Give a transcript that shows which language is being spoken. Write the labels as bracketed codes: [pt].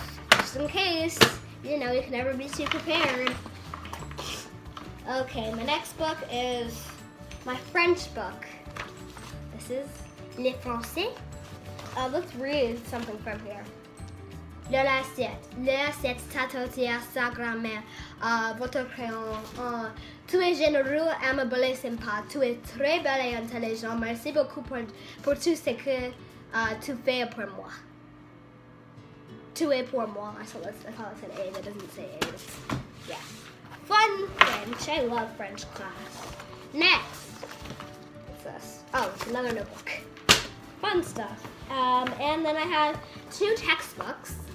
[en] Just in case, you know, you can never be too prepared. Okay, my next book is my French book. This is Le Français. Let's read something from here. [fr] Le assiette. Le assiette, ta tortilla, sa grand-mère, votre crayon. Tu es généreux, amable et sympa. Tu es très belle et intelligent. Merci beaucoup pour tout ce que tu fais pour moi. Tu es pour moi. [en] I thought it said A, but it doesn't say A. Yeah. Fun French. I love French class. Next. What's this? Oh, it's another notebook. Fun stuff. And then I have two textbooks.